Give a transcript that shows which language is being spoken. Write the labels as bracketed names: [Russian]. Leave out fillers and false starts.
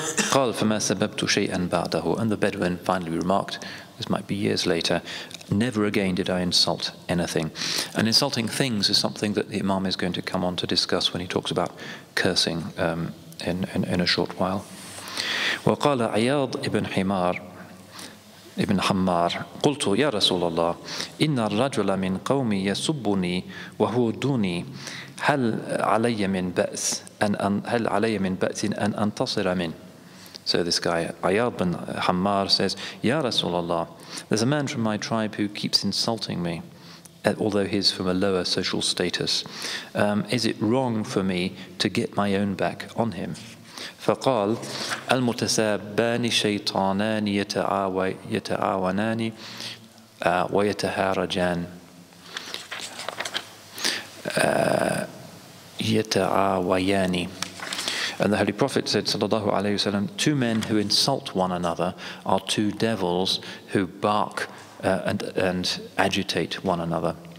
[Arabic] قَالْ فَمَا سَبَبْتُ شَيْئًا بَعْدَهُ. [English] And the Bedouin finally remarked, this might be years later, never again did I insult anything. And insulting things is something that the Imam is going to come on to discuss when he talks about cursing in a short while. [Arabic] وَقَالَ عِيَاضْ إِبْنْ حِمَارْ ابن حمار قلت يا رسول الله إن الرجل من قومي يسبني وهو دوني هل علي من بأس أن هل علي من بأس أن أنتصر من. [English] So this guy Ayyad bin Hammar says, Ya Rasulallah, there's a man from my tribe who keeps insulting me, although he's from a lower social status. Is it wrong for me to get my own back on him? [Arabic] فقال المتسابان شيطانان يتعاونان ويتهارجان يتعاويان. [English] And the Holy Prophet said sallallahu alaihi wasallam, two men who insult one another are two devils who bark and agitate one another.